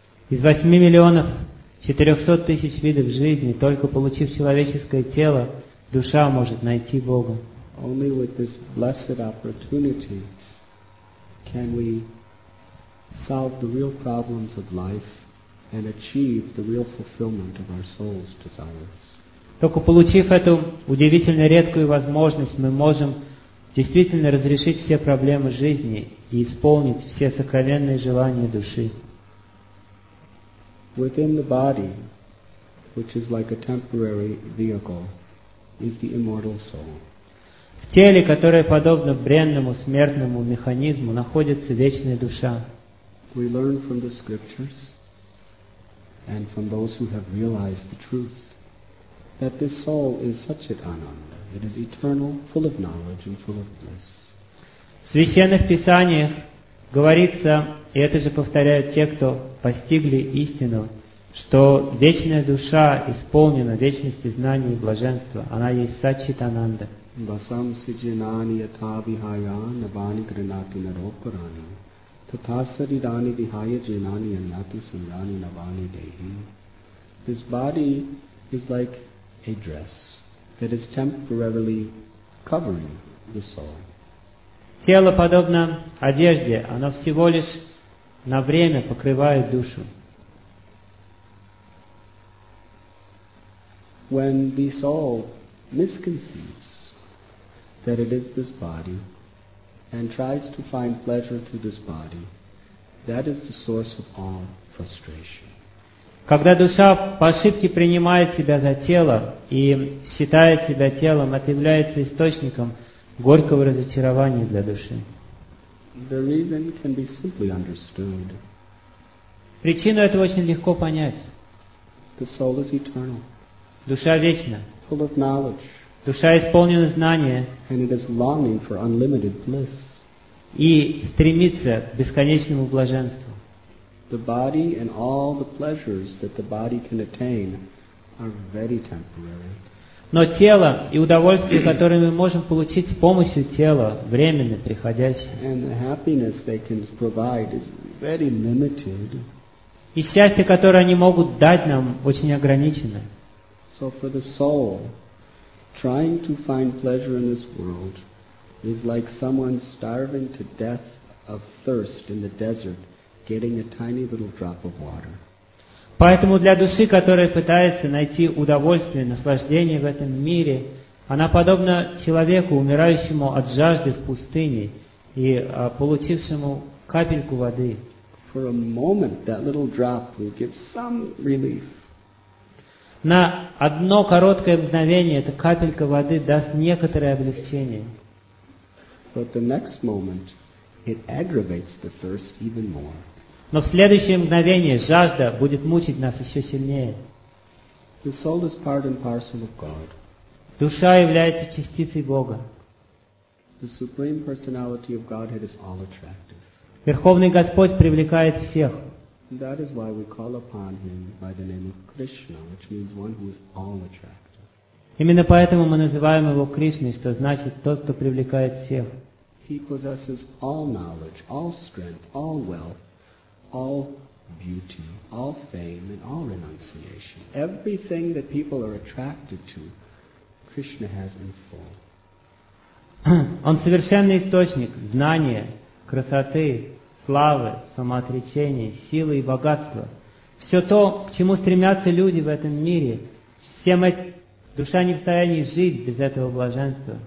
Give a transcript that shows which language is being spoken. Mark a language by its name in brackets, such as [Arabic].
[Russian] Из 8 400 000 видов жизни, только получив человеческое тело, душа может найти Бога. [English] Only with this blessed opportunity can we solve the real problems of life and achieve the real fulfillment of our soul's desires. [Russian] Только получив эту удивительно редкую возможность, мы можем действительно разрешить все проблемы жизни и исполнить все сокровенные желания души. [English] Within the body, which is like a temporary vehicle, is the immortal soul. [Russian] В теле, которое подобно бренному смертному механизму, находится вечная душа. [English] We learn from the scriptures and from those who have realized the truth that this soul is Satchit-Ananda. It is eternal, full of knowledge and full of bliss. [Russian] В священных писаниях говорится, и это же повторяют те, кто постигли истину, что вечная душа исполнена вечности знаний и блаженства. Она есть Сатчит-Ананда. [Sanskrit] Басам сиджинани ята вихая навани гринати наропарани татасаридани вихая джинани аняти сандани навани дейхи. [English] This body is like a dress that is temporarily covering the soul. [Russian] Тело подобно одежде, оно всего лишь на время покрывает душу. [English] When the soul misconceives that it is this body and tries to find pleasure through this body, that is the source of all frustration. [Russian] Когда душа по ошибке принимает себя за тело и считает себя телом, это является источником горького разочарования для души. [English] The reason can be simply understood. [Russian] Причину этого очень легко понять. [English] The soul is eternal. [Russian] Душа вечна. [English] Full of knowledge. [Russian] Душа исполнена знания. [English] And it is longing for unlimited bliss. [Russian] И стремится к бесконечному блаженству. [English] The body and all the pleasures that the body can attain are very temporary. [Russian] Но тело и удовольствия, которые мы можем получить с помощью тела, временны, приходящие. [English] And the happiness they can provide is very limited. [Russian] И счастье, которое они могут дать нам, очень ограничено. [English] So for the soul, trying to find pleasure in this world is like someone starving to death of thirst in the desert, getting a tiny little drop of water. [Russian] Поэтому для души, которая пытается найти удовольствие, наслаждение в этом мире, она подобна человеку, умирающему от жажды в пустыне и получившему капельку воды. [English] For a moment, that little drop will give some relief. [Russian] На одно короткое мгновение эта капелька воды даст некоторое облегчение. [English] But the next moment, it aggravates the thirst even more. [Russian] Но в следующее мгновение жажда будет мучить нас еще сильнее. [English] The soul is part and parcel of God. [Russian] Душа является частицей Бога. [English] The Supreme Personality of Godhead is all attractive. [Russian] Верховный Господь привлекает всех. [English] That is why we call upon him by the name of Krishna, which means one who is all attractive. [Russian] Именно поэтому мы называем его Кришной, что значит тот, кто привлекает всех. [English] He possesses all knowledge, all strength, all wealth, all beauty, all fame, and all renunciation. Everything that people are attracted to, Krishna has in full. [Russian] Он совершенный источник знания, красоты, славы, самоотречения, силы и богатства. Все то, к чему стремятся люди в этом мире, всем этим душа не в состоянии жить без этого блаженства.